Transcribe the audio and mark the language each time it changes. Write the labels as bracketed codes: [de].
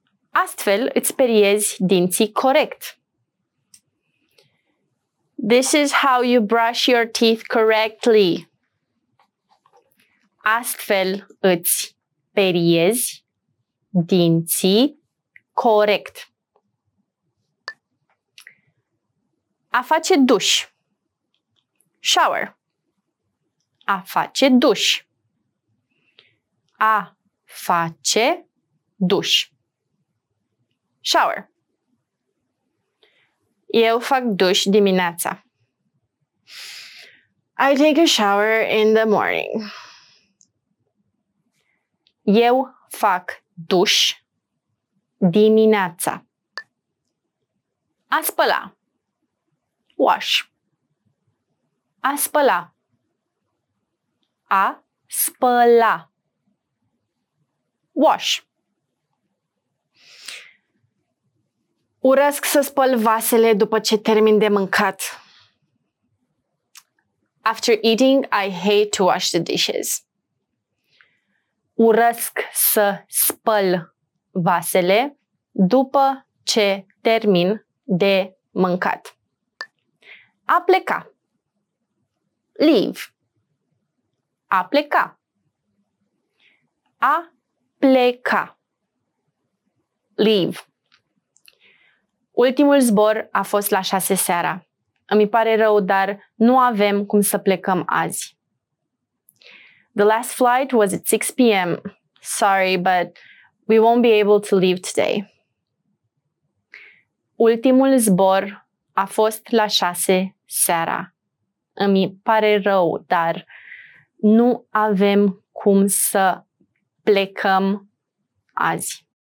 [ro] Astfel îți speriezi dinții corect. [en] This is how you brush your teeth correctly. [ro] Astfel îți speriezi dinții corect. A face duș. [en] Shower. [ro] A face duș. A face duș. [en] Shower. [ro] Eu fac duș dimineața. [en] I take a shower in the morning. [ro] Eu fac duș dimineața. A spăla. [en] Wash. [ro] A spăla. A spăla. [en] Wash. [ro] Urăsc să spăl vasele după ce termin de mâncat. [en] After eating, I hate to wash the dishes. [ro] Urăsc să spăl vasele după ce termin de mâncat. A pleca. [en] Leave. [ro] A pleca. A pleca. [en] Leave. [ro] Ultimul zbor a fost la 6 seara. Îmi pare rău, dar nu avem cum să plecăm azi. [en] The last flight was at 6 p.m. Sorry, but we won't be able to leave today. [ro] Ultimul zbor a fost la 6 seara. Îmi pare rău, dar nu avem cum să plecăm azi.